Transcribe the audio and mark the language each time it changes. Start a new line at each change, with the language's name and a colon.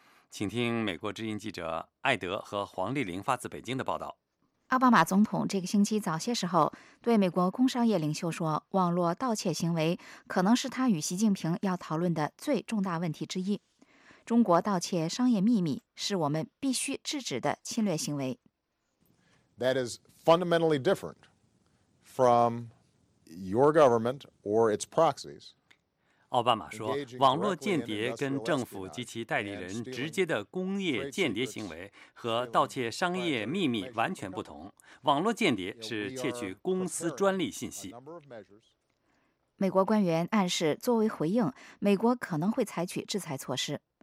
Chinese: 请听美国之音记者艾德和黄丽玲发自北京的报道。奥巴马总统这个星期早些时候对美国工商业领袖说，网络盗窃行为可能是他与习近平要讨论的最重大问题之一。中国盗窃商业秘密是我们必须制止的侵略行为。
English: That is fundamentally different from your government or its proxies.
Chinese: 奥巴马说，网络间谍跟政府及其代理人直接的工业间谍行为和盗窃商业秘密完全不同。网络间谍是窃取公司专利信息。美国官员暗示，作为回应，美国可能会采取制裁措施。